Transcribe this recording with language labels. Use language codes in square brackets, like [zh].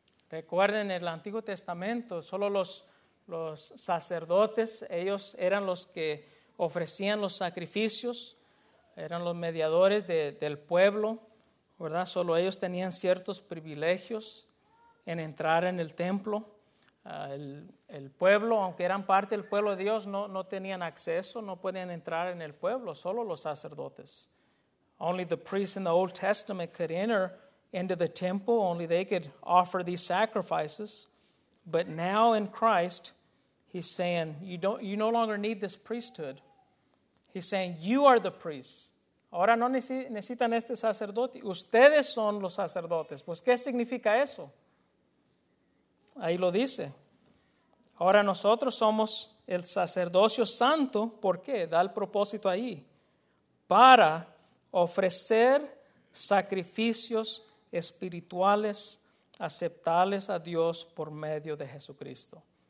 [es] Recuerden, el Antiguo Testamento, solo los sacerdotes, ellos eran los que ofrecían los sacrificios, eran los mediadores del pueblo, ¿verdad? Solo ellos tenían ciertos privilegios en entrar en el templo. El pueblo, aunque eran parte del pueblo de Dios, no tenían acceso, no podían entrar en el pueblo, solo los sacerdotes. [en] Only the priests in the Old Testament could enter into the temple, only they could offer these sacrifices. But now in Christ, he's saying, you no longer need this priesthood. He's saying, you are the priests. [es] Ahora no necesitan este sacerdote. Ustedes son los sacerdotes. Pues, ¿qué significa eso? Ahí lo dice. Ahora nosotros somos el sacerdocio santo. ¿Por qué? Da el propósito ahí. Para ofrecer sacrificios espirituales aceptables a Dios por medio de Jesucristo.